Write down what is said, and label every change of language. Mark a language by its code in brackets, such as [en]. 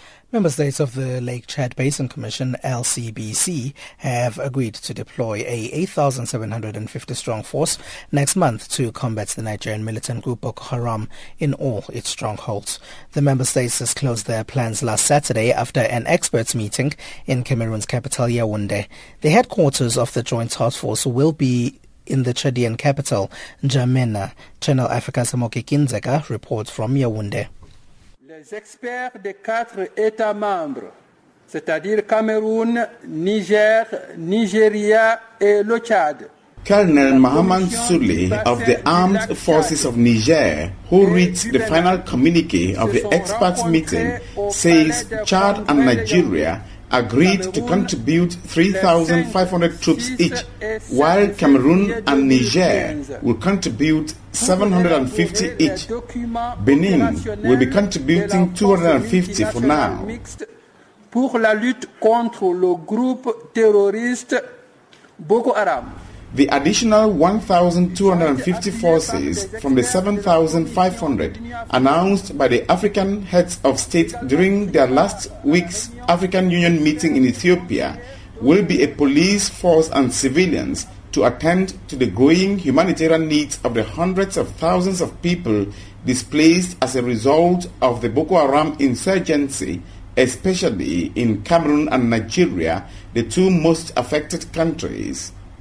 [en] Member states of the Lake Chad Basin Commission, LCBC, have agreed to deploy a 8,750-strong force next month to combat the Nigerian militant group Boko Haram in all its strongholds. The member states disclosed their plans last Saturday after an experts' meeting in Cameroon's capital, Yaounde. The headquarters of the joint task force will be in the Chadian capital, N'Djamena. Channel Africa's Amoke Kinzeka reports from Yaounde. [fr] Les experts des quatre États membres, c'est-à-dire Cameroun, Niger, Nigeria et le Tchad. [en] Colonel Mahaman Souli of the Armed Forces of Niger, who reads the final communique of the experts' meeting, says Chad and Nigeria agreed to contribute 3,500 troops each, while Cameroon and Niger will contribute 750 each. Benin will be contributing 250 for now. [fr] Pour la lutte contre le groupe terroriste Boko Haram. [en] The additional 1,250 forces from the 7,500 announced by the African heads of state during their last week's African Union meeting in Ethiopia will be a police force and civilians to attend to the growing humanitarian needs of the hundreds of thousands of people displaced as a result of the Boko Haram insurgency, especially in Cameroon and Nigeria, the two most affected countries.